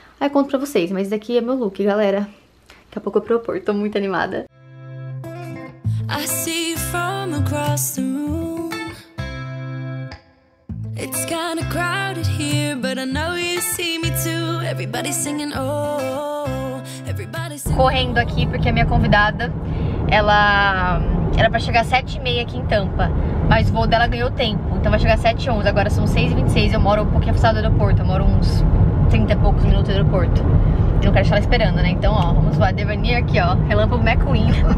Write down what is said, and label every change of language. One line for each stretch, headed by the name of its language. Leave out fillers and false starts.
Portuguese: Aí eu conto pra vocês, mas esse daqui é meu look, galera. Daqui a pouco eu propor, tô muito animada.
English: I see you from across the room. It's kinda crowded here, but I know you see me too. Everybody singing oh, everybody singing.
Portuguese: Correndo aqui, porque a minha convidada, ela era pra chegar às 7h30 aqui em Tampa. Mas o voo dela ganhou tempo, então vai chegar 7h11, agora são 6h26, eu moro um pouquinho afastado do aeroporto, eu moro uns 30 e poucos minutos do aeroporto. Eu não quero deixar ela esperando, né? Então, ó, vamos voar. Devaneer aqui, ó, Relâmpago McQueen.